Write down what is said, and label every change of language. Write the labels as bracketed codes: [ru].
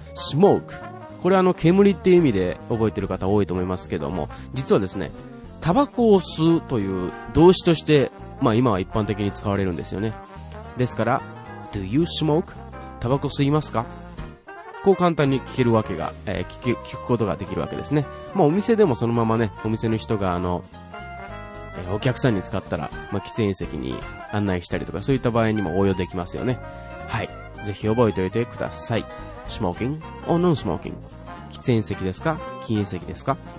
[ja] Smoke、 これ煙っていう意味で覚えてる方多いと思いますけども、実はですね、タバコを吸うという動詞として、まあ今は一般的に使われるんですよね。ですから [en] Do you smoke? [ja] タバコ吸いますか、こう簡単に聞けるわけが、聞くことができるわけですね。まあお店でもそのままね、お店の人がお客さんに使ったら、まあ、喫煙席に案内したりとか、そういった場合にも応用できますよね。はい、ぜひ覚えておいてください。 [en] smoking or non-smoking、 [ja] 喫煙席ですか禁煙席ですか。